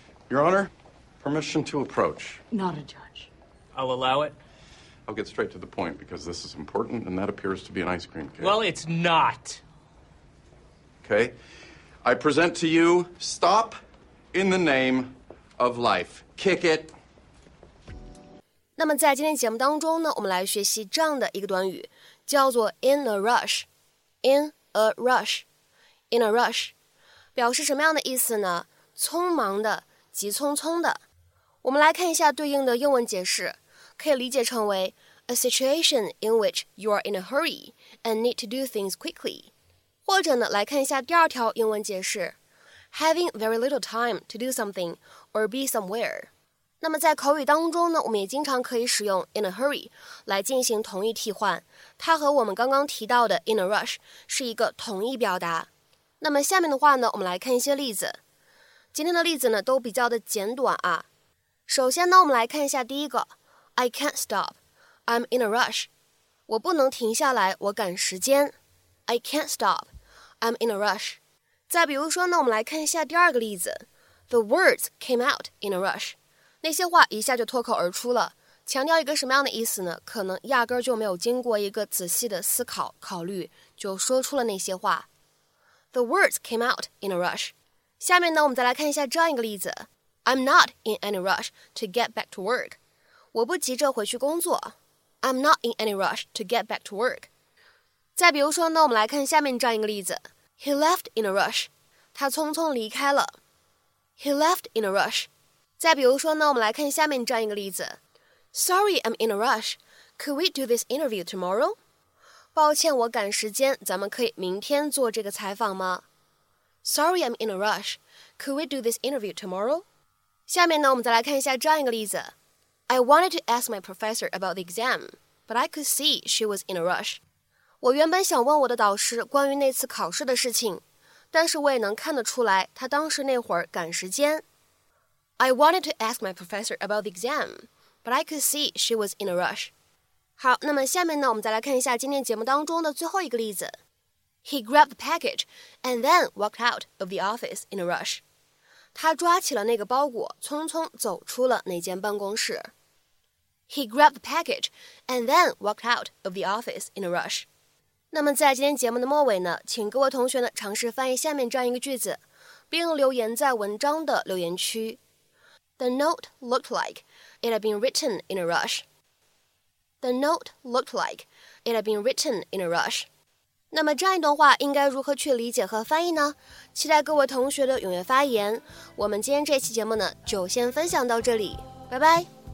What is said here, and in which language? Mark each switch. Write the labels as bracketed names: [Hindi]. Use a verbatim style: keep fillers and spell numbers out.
[English] Your Honor, permission to approach. Not a judge. I'll allow it. I'll get straight to the point because this is important, and that appears to be an ice cream cake. Well, it's not. Okay. I present to you Stop in the Name of Life. Kick it. [Chinese] 那么在今天节目当中呢，我们来学习这样的一个短语，叫做 in a rush. [English] In a rush. In a rush. [Chinese] 表示什么样的意思呢？匆忙的，急匆匆的。我们来看一下对应的英文解释。可以理解成为 [English] a situation in which you are in a hurry and need to do things quickly. [Chinese] 或者呢，来看一下第二条英文解释 [English] having very little time to do something or be somewhere. [Chinese] 那么在口语当中呢，我们也经常可以使用 in a hurry 来进行同义替换，它和我们刚刚提到的 in a rush 是一个同义表达。那么下面的话呢，我们来看一些例子。今天的例子呢，都比较的简短啊。首先呢，我们来看一下第一个。 [English] I can't stop. I'm in a rush. [Chinese] 我不能停下来，我赶时间。 [English] I can't stop. I'm in a rush. [Chinese] 再比如说呢，我们来看一下第二个例子。 [English] The words came out in a rush. [Chinese] 那些话一下就脱口而出了，强调一个什么样的意思呢？可能压根儿就没有经过一个仔细的思考、考虑，就说出了那些话。 [English] The words came out in a rush. [Chinese] 下面呢，我们再来看一下这样一个例子。 [English] I'm not in any rush to get back to work. [Chinese] 我不急着回去工作。 [English] I'm not in any rush to get back to work. [Chinese] 再比如说，那我们来看下面这样一个例子。 [English] He left in a rush. [Chinese] 他匆匆离开了。 [English] He left in a rush. [Chinese] 再比如说，那我们来看下面这样一个例子。 [English] Sorry, I'm in a rush. Could we do this interview tomorrow? [Chinese] 抱歉，我赶时间，咱们可以明天做这个采访吗？ [English] Sorry, I'm in a rush. Could we do this interview tomorrow? [Chinese] 下面呢，我们再来看一下这样一个例子。 [English] I wanted to ask my professor about the exam, but I could see she was in a rush. [Chinese] 我原本想问我的导师关于那次考试的事情，但是我也能看得出来，她当时那会儿赶时间。 [English] I wanted to ask my professor about the exam, but I could see she was in a rush. [Chinese] 好，那么下面呢，我们再来看一下今天节目当中的最后一个例子。 [English] He grabbed the package and then walked out of the office in a rush. [Chinese] 他抓起了那个包裹，匆匆走出了那间办公室。 [English] He grabbed the package and then walked out of the office in a rush. [Chinese] 那么在今天节目的末尾呢，请各位同学呢尝试翻译下面这样一个句子，并留言在文章的留言区。 [English] The note looked like it had been written in a rush. The note looked like it had been written in a rush. [Chinese] 那么这样一段话应该如何去理解和翻译呢？期待各位同学的踊跃发言。我们今天这期节目呢就先分享到这里，拜拜。